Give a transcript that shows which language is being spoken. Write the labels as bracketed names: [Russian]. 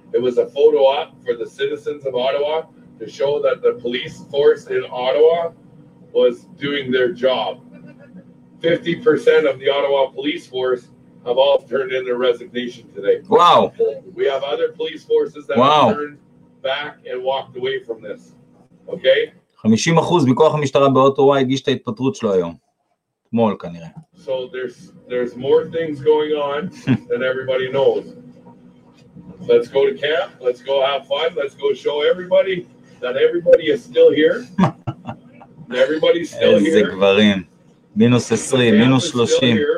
[English] It was a photo op for the citizens of Ottawa to show that the police force in Ottawa was doing their job. 50% of the Ottawa police force have all turned in their resignation today. Wow. We have other police forces that have turned back and walked away from this. Okay? [Hebrew] 50% מכוח המשטרה באוטווה הגיש את ההתפטרות שלו היום. מול כנראה. [English] So there's more things going on than everybody knows. Let's go to camp. Let's go have fun. Let's go show everybody that everybody is still here. Everybody's still here. [Hebrew] איזה גברים. מינוס 20, מינוס 30.